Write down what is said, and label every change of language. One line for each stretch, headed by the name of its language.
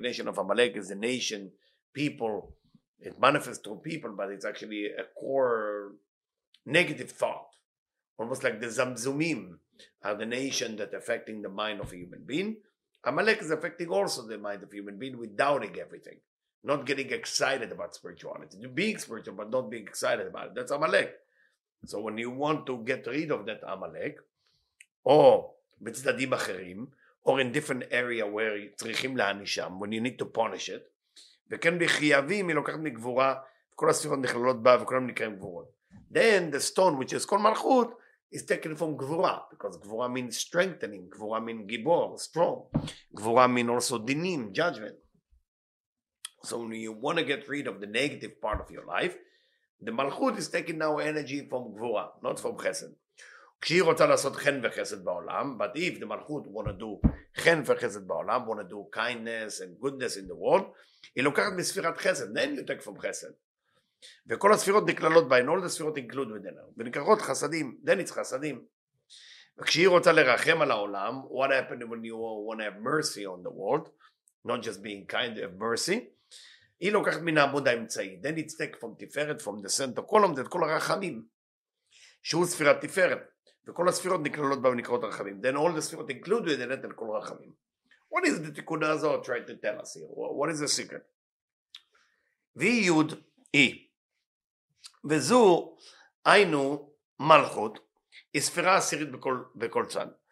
English: Nation of Amalek is a nation, people, it manifests through people, but it's actually a core negative thought. Almost like the Zamzumim are the nation that affecting the mind of a human being. Amalek is affecting also the mind of a human being with doubting everything, not getting excited about spirituality. Being spiritual, but not being excited about it. That's Amalek. So when you want to get rid of that Amalek, or
Hebrew: Betzadim Acherim,
English: or in different area where you
Hebrew: צריכים להנישם,
English: when you need to punish it,
Hebrew: וכן בחייבים, היא לוקחת מגבורה, כל הספירות נכללות בה, וכל מנקרים גבורות.
English: Then the stone, which is called מלכות, is taken from גבורה, because גבורה means strengthening, גבורה means גיבור, strong, גבורה means also דינים, judgment. So when you want to get rid of the negative part of your life, the מלכות is taking now energy from גבורה, not from חסד.
Hebrew: כשהיא רוצה לעשות חן וחסד בעולם,
English: but if the מלכות want to do
Hebrew: חן וחסד בעולם,
English: want to do kindness and goodness in the world,
Hebrew: היא לוקחת מספירת חסד,
English: then you take from חסד.
Hebrew: וכל הספירות נכללות בה,
English: and all the ספירות include within her.
Hebrew: ונקראות חסדים,
English: then it's חסדים.
Hebrew: וכשהיא רוצה לרחם על העולם,
English: what happened when you want to have mercy on the world, not just being kind, have mercy,
Hebrew: היא לוקחת מן העמוד האמצעי,
English: then it's take from תפארת, from the center column, that
Hebrew: כל הרחמים, שהוא ספירת תפארת. וכל הספירות נכללות בה ונקראות רחמים.
English: Then all the ספירות include within it, and
Hebrew: כל רחמים.
English: What is the Tikkunei Zohar trying to tell us here? What is the secret? V-Yud, E.
Hebrew: וזו, היינו, מלכות, היא ספירה עשירית בכל צד.